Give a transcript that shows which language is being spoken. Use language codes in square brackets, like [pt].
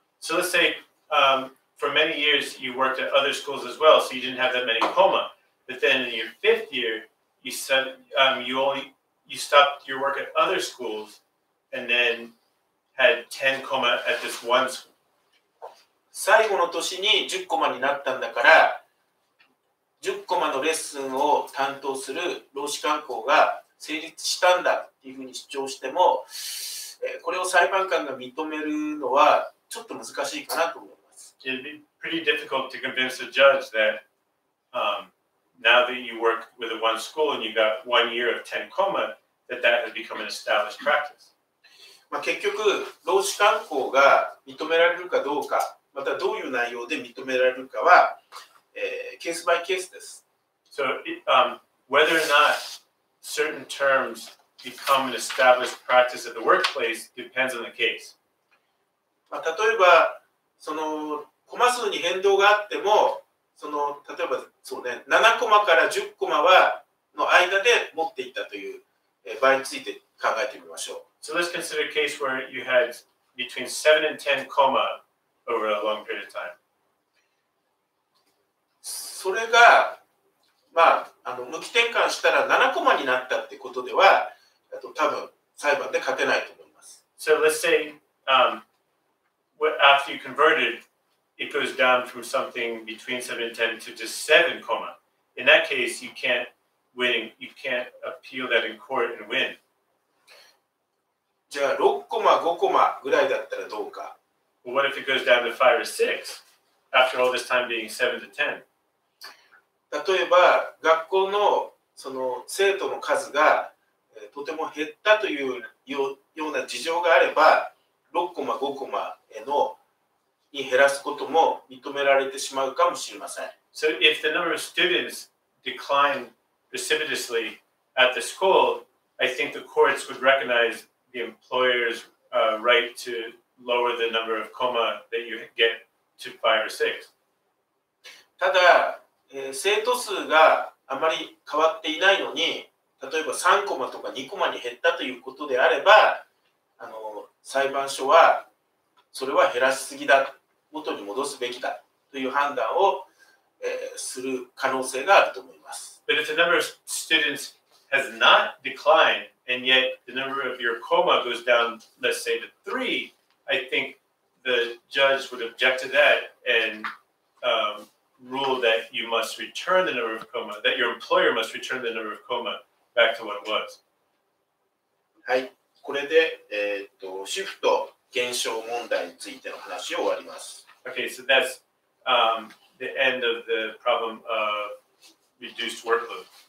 [en] So let's say, for many years you worked at other schools as well, so you didn't have that many coma. But then in your fifth year, you stopped your work at other schools and then had 10 coma at this one school. [ja] 最後の年に10コマになったんだから10コマのレッスンを担当する労使慣行が成立したんだっていうふうに主張しても、これを裁判官が認めるのはちょっと難しいかなと思います。 [en] It'd be pretty difficult to convince a judge that、now that you work with one school and you got one year of 10 comma that that has become an established practice、 [ja] まあ、結局労使慣行が認められるかどうか、またどういう内容で認められるかは、ケースバイケースです。 [en] So, whether or not certain terms become an established practice at the workplace depends on the case. [ja] まあ、例えば、そのコマ数に変動があっても、その例えばそう、ね、7コマから10コマはの間で持っていたという、場合について考えてみましょう。 [en] So let's consider a case where you had between 7 and 10 comma. Over a long period of time. [ja] それが、まあ、向き転換したら7コマになったってことでは、多分裁判で勝てないと思います。 [en] So let's say, after you converted, it goes down from something between 7 and 10 to just 7 comma. In that case, you can't appeal that in court and win. [ja] じゃあ6コマ、5コマぐらいだったらどうか。 [en] Well, what if it goes down to 5 or 6 after all this time being 7 to 10? [ja] 例えば、学校のその生徒の数が、とても減ったというような事情があれば、6コマ、5コマに減らすことも認められてしまうかもしれません。 [en] So if the number of students decline precipitously at the school, I think the courts would recognize the employer's, right to... lower the number of comma that you get to 5 or 6. [ja] ただ、生徒数があまり変わっていないのに、例えば3コマとか2コマに減ったということであれば、裁判所はそれは減らしすぎだ、元に戻すべきだという判断を、する可能性があると思います。 [en] But if the number of students has not declined, and yet the number of your comma goes down, let's say, to 3,I think the judge would object to that and、rule that you must return the number of coma, that your employer must return the number of coma back to what it was. [ja] はい、これで、シフト現象問題についての話を終わります。 [en] Okay, so that's、the end of the problem of reduced workload.